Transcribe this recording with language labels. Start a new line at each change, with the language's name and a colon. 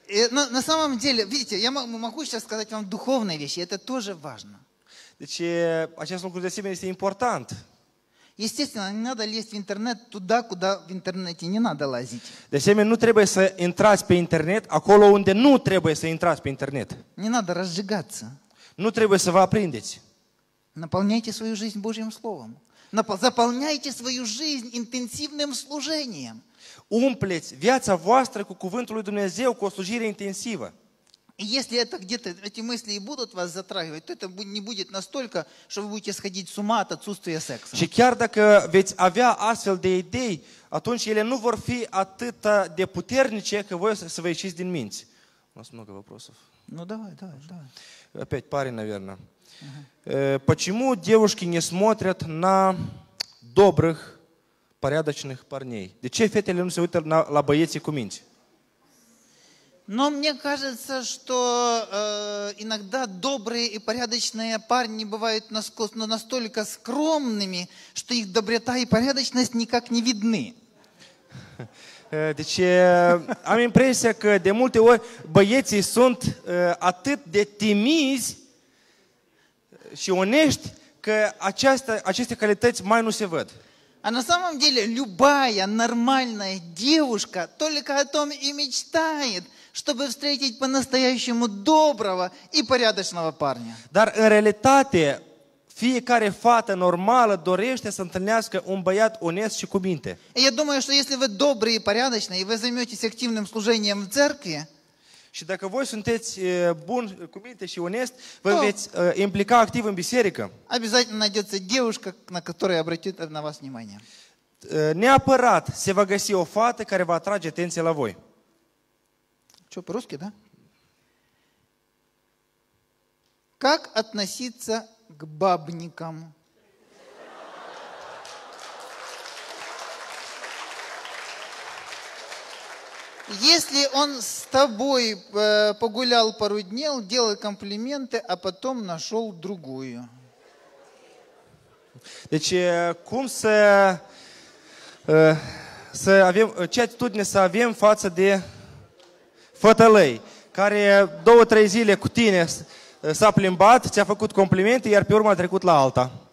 Russian: На самом деле, видите, я могу сейчас сказать вам духовные вещи, это тоже важно.
Romanian: Deci, acest lucru de asemenea este important.
Russian: Естественно, не надо лезть в интернет туда, куда в интернете не надо лазить.
Romanian: De asemenea, nu trebuie să intrați pe internet acolo unde nu trebuie să intrați pe internet.
Russian: Не надо разжигаться.
Romanian: Nu trebuie să vă aprindeți.
Russian: Наполняйте свою жизнь Божьим словом. Заполняйте свою жизнь интенсивным служением.
Romanian: Umpleți viața voastră cu cuvântul lui Dumnezeu, cu o slujire intensivă.
Russian: Если это где-то, эти мысли и будут вас затрагивать, то это не будет настолько, что вы будете сходить с ума от отсутствия секса.
Romanian: Și chiar dacă veți avea astfel de idei, atunci ele nu vor fi atât de puternice, că voi să vă ieșiți din minți.
Russian: У нас много вопросов. Ну давай, давай, давай. Опять парень, наверное. Почему девушки не смотрят на добрых, порядочных парней?
Romanian: De ce fetele nu se uită la băieții cu minți?
Russian: Но мне кажется, что иногда добрые и порядочные парни бывают настолько скромными, что их доброта и порядочность никак не видны.
Romanian: Deci, am impresia că de multe ori băieții sunt atât de timizi și onești că aceste calități mai nu se văd.
Russian: А на самом деле любая нормальная девушка только о том и мечтает, чтобы встретить по-настоящему доброго и порядочного парня.
Romanian: Dar în realitate fiecare fată normală dorește să întâlnească un băiat onest și cu minte.
Russian: Я думаю, что если вы добрые и порядочные, и вы займетесь активным служением в церкви,
Romanian: și dacă voi sunteți bun cu minte și onest, вы veți implica activ în biserică.
Russian: Обязательно найдется девушка, на которой обратит на вас внимание.
Romanian: Неапărat se va găsi o fată care va atrage atenția la voi.
Russian: Что, по-русски, да? Как относиться к бабникам? Если он с тобой погулял пару дней, делал комплименты, а потом нашел другую.
Romanian: Deci, cum să avem, ce atitudine să avem față de fătălăi, care două-trei zile cu tine s-a plimbat, ți-a făcut complimente, iar pe urmă a trecut la alta.